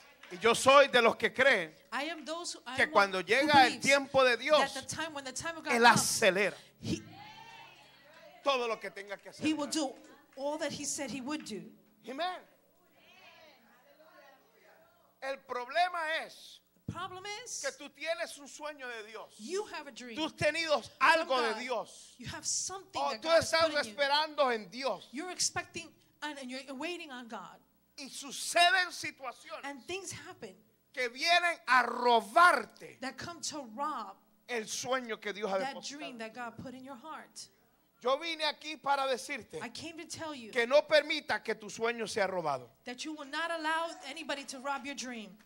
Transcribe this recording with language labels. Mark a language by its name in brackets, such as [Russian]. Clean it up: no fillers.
[Spanish] Y yo soy de los que creen que cuando llega el tiempo de Dios, Él acelera todo lo que tenga que hacer. [English] He will do all that he said he would do. Amen. [Spanish] El problema es que tú tienes un sueño de Dios. [English] You have a dream. [Spanish] Tú has tenido algo de Dios. [English] You have something. [Spanish] O tú estás esperando en Dios. [English] You're expecting and you're waiting on God. [Spanish] Y suceden situaciones. [English] And things happen. [Spanish] Que vienen a robarte. [English] That come to rob. [Spanish] El sueño que Dios ha depositado. [English] That dream that God put in your heart. [Spanish] Yo vine aquí para decirte, [English] I came to tell you, [Spanish] que no permita que tu sueño sea robado. [English] That you will not allow anybody to rob your dream.